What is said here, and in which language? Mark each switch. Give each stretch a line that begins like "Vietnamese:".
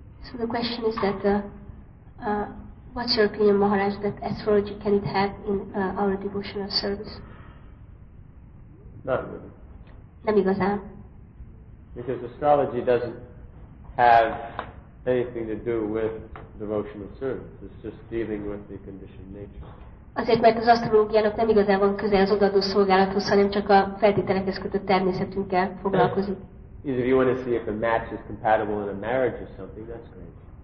English: So the question is that, what's your opinion, Maharaj, that astrology can it have in our devotional service? Not really.
Hungarian: Nem igazán.
English: Because astrology doesn't have anything to do with devotional service. It's just dealing with the conditioned nature.
Hungarian: Azért, mert az asztrológiának nem igazán van köze az odaadó szolgálathoz, hanem csak a feltételekhez kötött természetünkkel foglalkozik.
English: If you want to see if a match is compatible in a marriage or something, that's great.